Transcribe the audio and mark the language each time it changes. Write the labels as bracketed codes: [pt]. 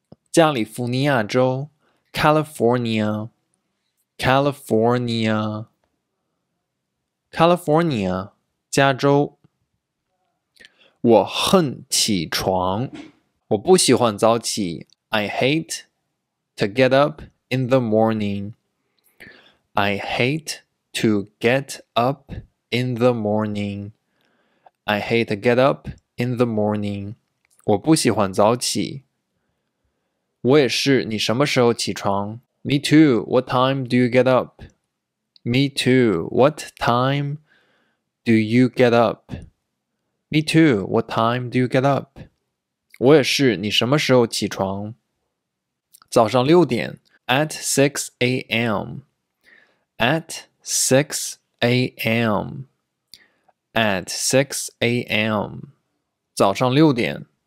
[en] 加利福尼亚州 California California California [zh] 加州我恨起床我不喜欢早起 [en] I hate to get upIn the morning, I hate to get up in the morning. I hate to get up in the morning. [zh] 我不喜欢早起。我也是，你什么时候起床？ [en] Me too, what time do you get up? Me too, what time do you get up? Me too, what time do you get up? [zh] 我也是，你什么时候起床？早上六点。 [en] At 6 a.m. At 6 a.m. At 6 a.m. [zh] 早上六点。